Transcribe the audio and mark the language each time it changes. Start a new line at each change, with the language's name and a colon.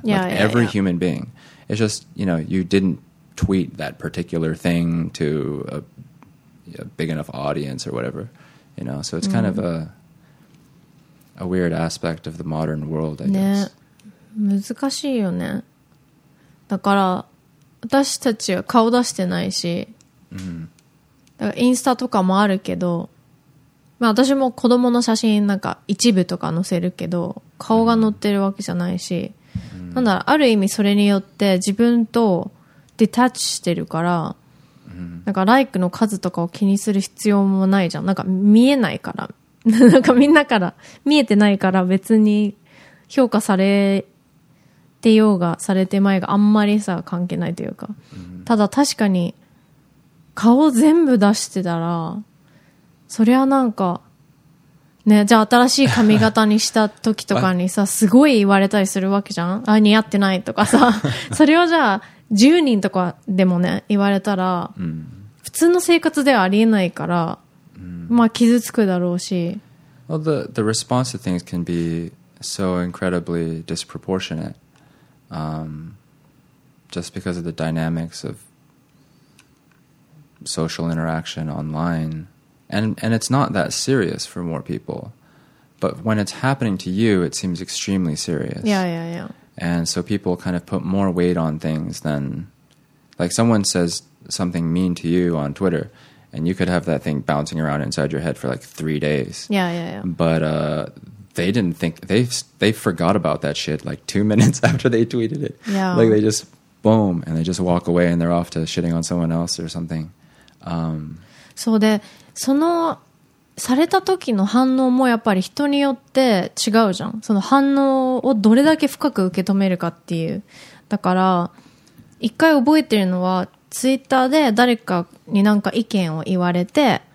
English: Yeah, like, yeah, every yeah. human being. It's just, you know, you didn't tweet that particular thing to a big enough audience or whatever, you know? So it's kind of a weird aspect of the modern world, I guess.
Japanese: 難しいよね。だから、私たちは顔出してないし。 Mm-hmm. だからインスタとかもあるけど、まあ私も子供の写真なんか一部とか載せるけど、顔が載ってるわけじゃないし、なんだろう、ある意味それによって自分とディタッチしてるから、なんかライクの数とかを気にする必要もないじゃん。なんか見えないから、なんかみんなから見えてないから別に評価されてようがされてまいがあんまりさ関係ないというか、うん、ただ確かに顔全部出してたらそりゃなんかね、じゃあ新しい髪型にした時とかにさすごい言われたりするわけじゃん、あ似合ってないとかさそれをじゃあ10人とかでもね言われたら、うん、普通の生活ではありえないから、うん、まあ傷つくだろうし、
English: well, the response to things can be so incredibly disproportionate、just because of the dynamics of social interaction onlineAnd it's not that serious for more people. But when it's happening to you, it seems extremely serious. Yeah, yeah, yeah. And so people kind of put more weight on things than... Like someone says something mean to you on Twitter, and you could have that thing bouncing around inside your head for like 3 days. Yeah, yeah, yeah. But they didn't think... They forgot about that shit like 2 minutes after they tweeted it. Yeah. Like they just, boom, and they just walk away and they're off to shitting on someone else or something. So the...
Japanese: そのされた時の反応もやっぱり人によって違うじゃん、その反応をどれだけ深く受け止めるかっていう。だから一回覚えてるのはツイッターで誰かになんか意見を言われて、